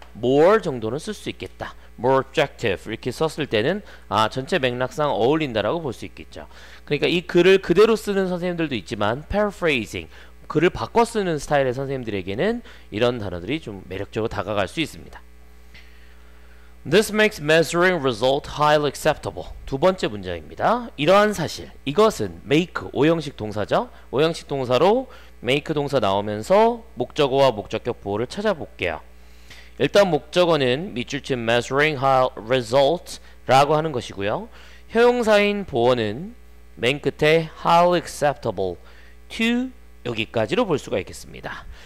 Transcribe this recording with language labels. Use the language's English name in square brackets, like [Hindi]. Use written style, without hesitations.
[Korean] more 정도는 쓸수 있겠다. more objective 이렇게 썼을 때는 전체 맥락상 어울린다라고 볼수 있겠죠. 그러니까 이 글을 그대로 쓰는 선생님들도 있지만 paraphrasing, 글을 바꿔 쓰는 스타일의 선생님들에게는 이런 단어들이 좀 매력적으로 다가갈 수 있습니다. [English] This makes measuring result highly acceptable. [Korean] 두 번째 문장입니다. 이러한 사실, 이것은 make, 오형식 동사죠. 오형식 동사로 make 동사 나오면서 목적어와 목적격 보호를 찾아볼게요. 일단 목적어는 밑줄 친 measuring result라고 하는 것이고요. 형용사인 보어는 맨 끝에 highly acceptable to 여기까지로 볼 수가 있겠습니다.